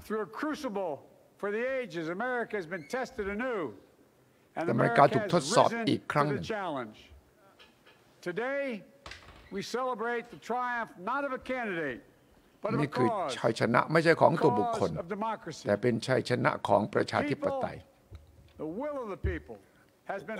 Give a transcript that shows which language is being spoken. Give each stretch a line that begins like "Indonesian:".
English: Through a crucible for the ages, America has been tested anew.
Thai: And America ถูกทดสอบอีกครั้งหนึ่ง
English: Today we celebrate the triumph not of a candidate, but of a cause.
Thai: นี่คือชัยชนะไม่ใช่ของตัวบุคคลแต่เป็นชัยชนะของประชาธิปไตย
English: The will of the people has been